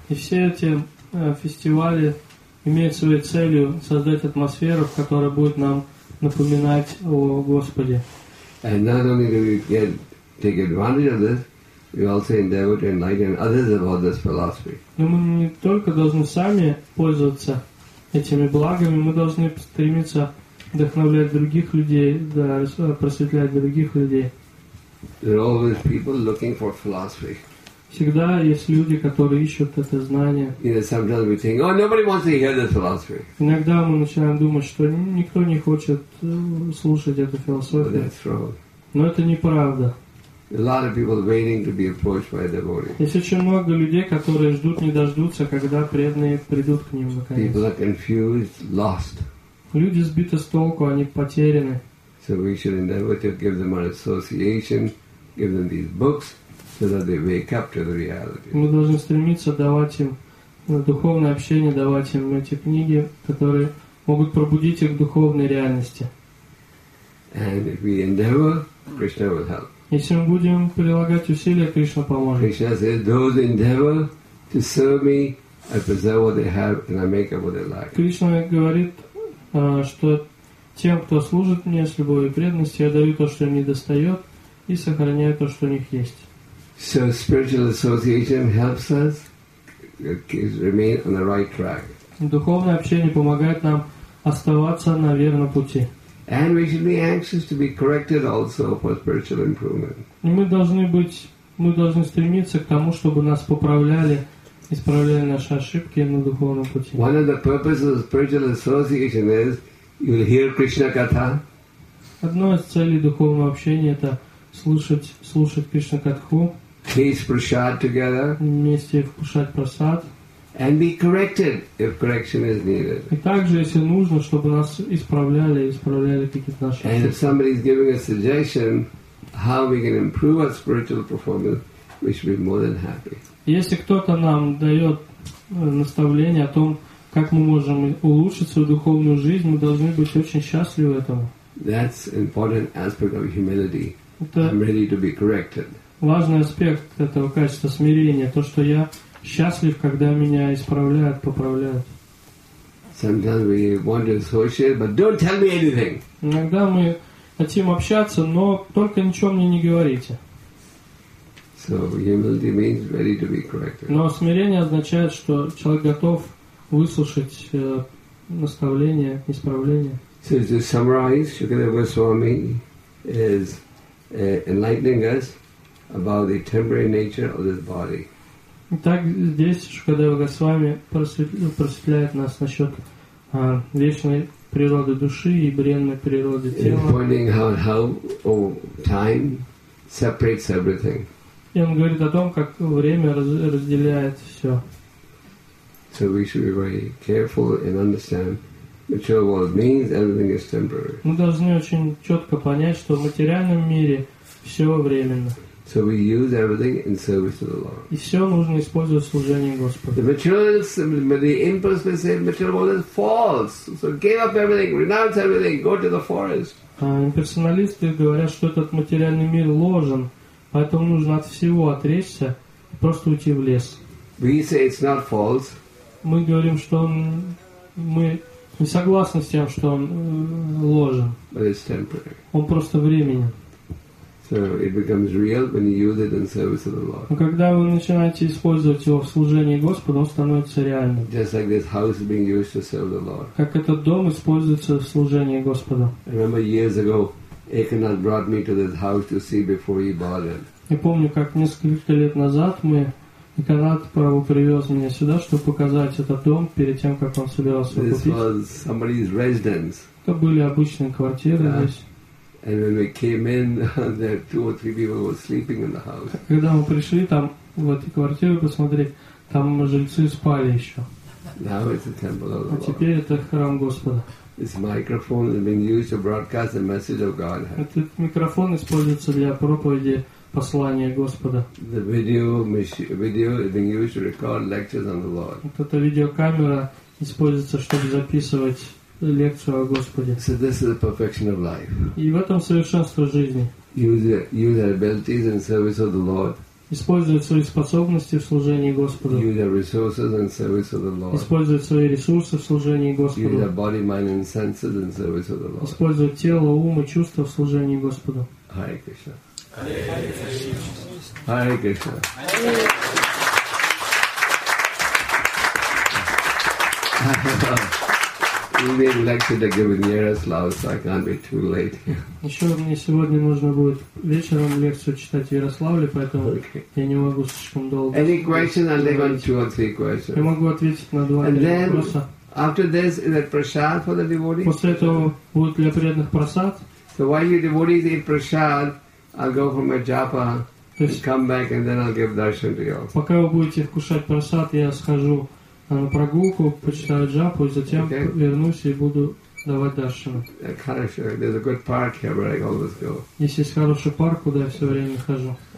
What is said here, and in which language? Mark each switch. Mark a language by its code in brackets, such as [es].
[ru] И все эти фестивали имеют своей целью создать атмосферу, которая будет нам напоминать о Господе. [en] And not only do we get take advantage of this, we also endeavor to enlighten others about this philosophy. [ru] Но мы не только должны сами пользоваться этими благами, мы должны стремиться вдохновлять других людей, просветлять других людей. [en] There are always people looking for philosophy. [ru] Всегда есть люди, которые ищут это знание. [en] Sometimes we think, oh, nobody wants to hear this philosophy. [ru] Иногда мы начинаем думать, что никто не хочет слушать эту философию. [en] Well, that's wrong. [ru] Но это неправда. [en] A lot of people waiting to be approached by a devotee. [ru] Есть очень много людей, которые ждут, не дождутся, когда преданные придут к ним наконец. [en] People are confused, lost. [ru] Люди сбиты с толку, они потеряны. [en] So we should endeavor to give them an association, give them these books, so that they wake up to the reality. [ru] Мы должны стремиться давать им духовное общение, давать им эти книги, которые могут пробудить их к духовной реальности. [en] And if we endeavor, Krishna will help. [ru] Если мы будем прилагать усилия, Кришна поможет. [en] Krishna says, those endeavor to serve me, I preserve what they have and I make up what they lack. [ru] Кришна говорит, что тем, кто служит мне с любовью и преданностью, я даю то, что им не достает, и сохраняю то, что у них есть. [en] So spiritual association helps us remain on the right track. [ru] Духовное общение помогает нам оставаться на верном пути. [en] And we should be anxious to be corrected also for spiritual improvement. [ru] И мы должны стремиться к тому, чтобы нас поправляли, исправляли наши ошибки на духовном пути. [en] One of the purposes of spiritual association is you will hear Krishna katha. [ru] Одно из целей духовного общения это слушать Кришна катху. [en] Taste prasad together. [ru] Вместе вкушать прасад. [en] And be corrected if correction is needed. [ru] И также, если нужно, чтобы нас исправляли какие-то наши ошибки. [en] And if somebody is giving a suggestion how we can improve our spiritual performance, we should be more than happy. [ru] Если кто-то нам дает наставление о том, как мы можем улучшить свою духовную жизнь, мы должны быть очень счастливы этому. [en] That's an important aspect of humility. I'm ready to be corrected. [ru] Важный аспект этого качества смирения, то, что я счастлив, когда меня исправляют, поправляют. [en] Sometimes we want to associate, but don't tell me anything. [ru] Иногда мы хотим общаться, но только ничего мне не говорите. [en] So humility means ready to be corrected. [ru] Но смирение означает, что человек готов выслушать наставления, исправления. [en] So to summarize, Shukadeva Swami is enlightening us about the temporary nature of this body. [ru] Итак, здесь Шукадева Госвами просветляет нас насчет вечной природы души и бренной природы тела. И он говорит о том, как время разделяет все. [en] So we should be very careful and understand material world means everything is temporary. [ru] Мы должны очень четко понять, что в материальном мире все временно. [en] So we use everything in service to the Lord. [ru] И все нужно использовать в служении Господу. [en] The impersonal say material world is false. So give up everything, renounce everything, go to the forest. [ru] Имперсоналисты говорят, что этот материальный мир ложен, поэтому нужно от всего отречься и просто уйти в лес. [en] We say it's not false. [ru] Мы говорим, что мы не согласны с тем, что он ложен. [en] But it's temporary. [ru] Он просто временен. [en] So it becomes real when you use it in service of the Lord. [ru] Но когда вы начинаете использовать его в служении Господу, он становится реальным. [en] Just like this house is being used to serve the Lord. [ru] Как этот дом используется в служении Господу. [en] I remember years ago, Ekanath brought me to this house to see before he bought it. [ru] Я помню, как несколько лет назад Ekanath Prabhu привез меня сюда, чтобы показать этот дом перед тем, как он собирался [en] this [ru] купить. [en] This was somebody's residence. [ru] Это были обычные квартиры здесь. [en] And when we came in, there two or three people were sleeping in the house. [ru] Когда мы пришли там в эту квартиру посмотреть, там жильцы спали еще. [en] Now it's the temple of the Lord. [ru] А теперь это храм Господа. [en] This microphone has been used to broadcast the message of Godhead. [ru] Этот микрофон используется для проповеди послания Господа. [en] The video is being used to record lectures on the Lord. [ru] Вот эта видеокамера используется, чтобы записывать лекцию о Господе. [en] So this is the perfection of life. [ru] И в этом совершенство жизни. [en] Use your abilities in service of the Lord. [ru] Использовать свои способности в служении Господу. [en] Use your resources in service of the Lord. [ru] Использовать свои ресурсы в служении Господу. [en] Use your body, mind, and senses in service of the Lord. [ru] Использовать тело, ум и чувства в служении Господу. [sa] Hare Krishna. Hare Krishna. Hare Krishna. [en] Hare Krishna. You've been lectured at Gavinera's Law, so I can't be too late. [ru] Еще мне сегодня нужно будет вечером лекцию читать в Ярославле, поэтому я не могу слишком долго. [en] Any question? I'll leave on two or three questions. [ru] Я могу ответить на два вопроса. [en] After this, is it prasad for the devotees? [ru] После этого будет для преданных просад. [en] So while you devotees eat prasad, I'll go for my japa, come back, and then I'll give darshan to you. [ru] Пока вы будете вкушать просад, я схожу на прогулку, почитаю джапу, и затем вернусь и буду давать даршану. [en] There's a good park here where I always go. [ru] Здесь есть хороший парк, куда я все время хожу.